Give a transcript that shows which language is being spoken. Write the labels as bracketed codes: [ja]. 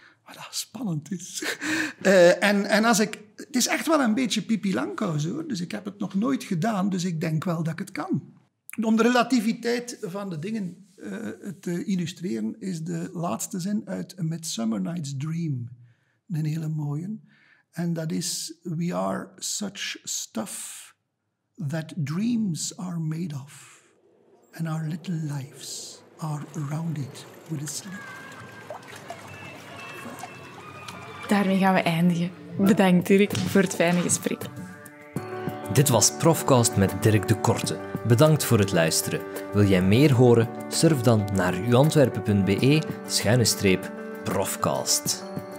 [nl] Wat dat spannend is. En als ik... Het is echt wel een beetje Pippi Langkous, hoor. Dus ik heb het nog nooit gedaan, dus ik denk wel dat ik het kan. Om de relativiteit van de dingen te illustreren, is de laatste zin uit A Midsummer Night's Dream. Een hele mooie. En dat is... [en] We are such stuff that dreams are made of. And our little lives are rounded with a sleep. [nl] Daarmee gaan we eindigen. Bedankt, Dirk, voor het fijne gesprek. Dit was Profcast met Dirk de Korte. Bedankt voor het luisteren. Wil jij meer horen? Surf dan naar uantwerpen.be/profcast.